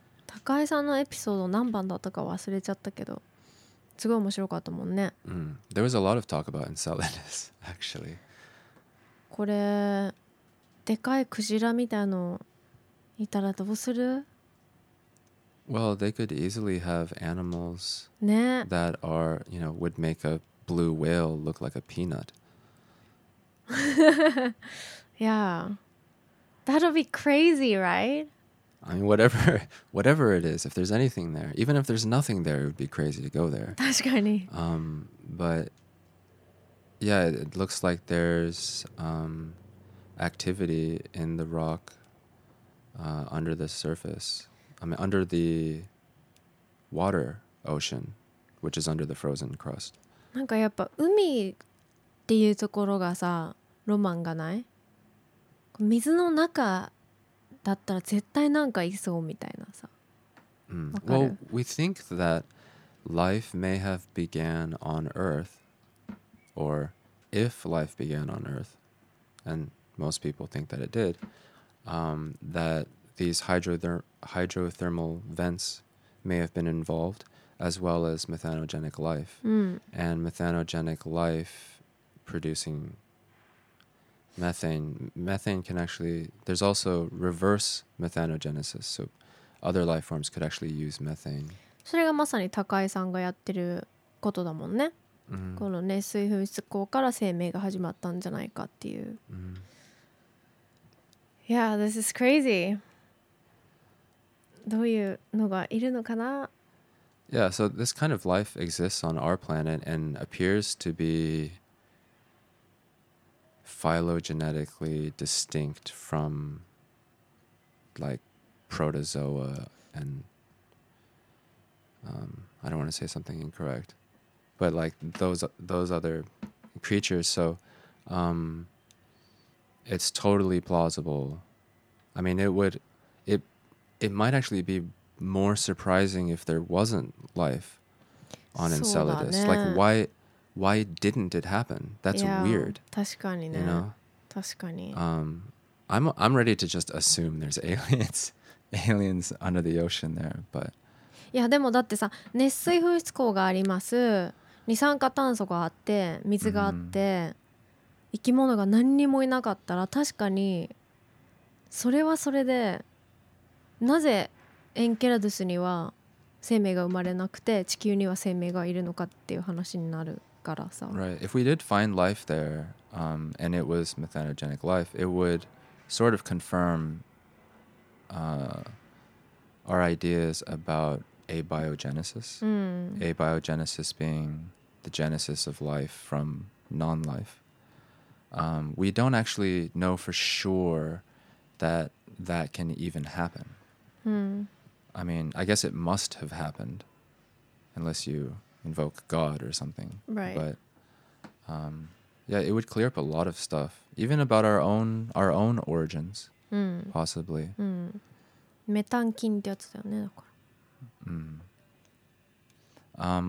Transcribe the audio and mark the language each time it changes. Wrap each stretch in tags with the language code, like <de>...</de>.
<ja>高井さんのエピソード何番だったか忘れちゃったけど、すごい面白かったもんね。</ja> <en>There was a lot of talk about Enceladus, actually.</en> <ja>これでかいクジラみたいのいたらどうする？</ja> <en>Well, they could easily have animals、</en> <ja>ね、</ja> <en>that are, you know, would make a blue whale look like a peanut. Yeah, that'll be crazy, right? I mean, whatever it is, if there's anything there, even if there's nothing there, it would be crazy to go there.</en> <ja>確かに。</ja> <en>But yeah, it looks like there's activity in the rock under the surface. I mean, under the water ocean, which is under the frozen crust.</en> <ja>なんかやっぱ海っていうところがさ、ロマンがない？水の中だったら絶対なんかいそうみたいなさ。</ja> <en>Well, we think that life may have began on Earth, or if life began on Earth, and most people think that it did, that these hydrothermal vents may have been involved, as well as methanogenic life. And methanogenic life producing... Methane can actually, there's also reverse methanogenesis, so other life forms could actually use methane.</en> <ja>それがまさに高井さんがやってることだもんね。この熱水噴出孔から生命が始まったんじゃないかっていう。</ja> <en>Yeah, this is crazy.</en> <ja>どういうのがいるのかな?</ja> <en>Yeah, so this kind of life exists on our planet and appears to be phylogenetically distinct from like protozoa and I don't want to say something incorrect, but like those other creatures. So it's totally plausible. I mean, it might actually be more surprising if there wasn't life on Enceladus. Like, why didn't it happen? That's weird.</en> <ja>確かにね。</ja> <en>You know?</en> <ja>確かに。</ja> <en>I'm ready to just assume there's aliens under the ocean there, but...</en> <ja>いや、でもだってさ、熱水噴出孔があります。二酸化炭素があって、水があって、生き物が何にもいなかったら、確かにそれはそれで、なぜエンケラドゥスには生命が生まれなくて地球には生命がいるのかっていう話になるからさ。</ja> <en>Right. If we did find life there, and it was methanogenic life, it would sort of confirm, our ideas about abiogenesis. Abiogenesis being the genesis of life from non-life. We don't actually know for sure that that can even happen. I mean, I guess it must have happened, unless you invoke God or something. Right. But yeah, it would clear up a lot of stuff, even about our own origins, possibly.</en> <ja>メタン菌ってやつだよね、だから。</ja>